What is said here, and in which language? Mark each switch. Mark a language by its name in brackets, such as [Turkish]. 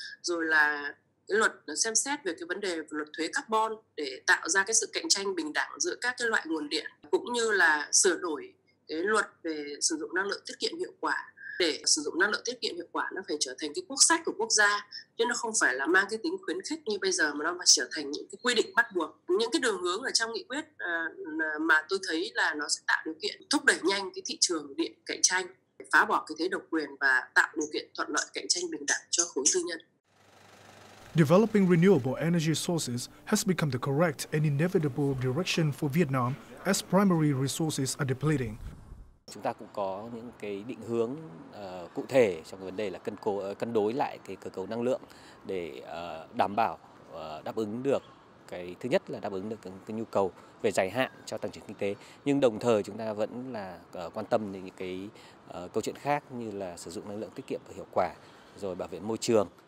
[Vietnamese] rồi là cái luật xem xét về cái vấn đề luật thuế carbon để tạo ra cái sự cạnh tranh bình đẳng giữa các cái loại nguồn điện, cũng như là sửa đổi cái luật về sử dụng năng lượng tiết kiệm hiệu quả, để sử dụng năng lượng tiết kiệm hiệu quả nó phải trở thành cái quốc sách của quốc gia, chứ nó không phải là mang cái tính khuyến khích như bây giờ mà nó mà trở thành những cái quy định bắt buộc. Những cái đường hướng ở trong nghị quyết mà tôi thấy là nó sẽ tạo điều kiện thúc đẩy nhanh cái thị trường điện cạnh tranh, phá bỏ cái thế độc quyền và tạo điều kiện thuận lợi cạnh tranh bình đẳng cho khối tư nhân. [English] Developing renewable energy sources has become the correct and inevitable direction for Vietnam as primary resources are depleting. [Vietnamese] Chúng ta cũng có những cái định hướng cụ thể trong cái vấn đề là cân đối lại cái cơ cấu năng lượng để đảm bảo đáp ứng được cái thứ nhất là đáp ứng được cái nhu cầu về dài hạn cho tăng trưởng kinh tế, nhưng đồng thời chúng ta vẫn là quan tâm đến những cái câu chuyện khác như là sử dụng năng lượng tiết kiệm và hiệu quả, rồi bảo vệ môi trường.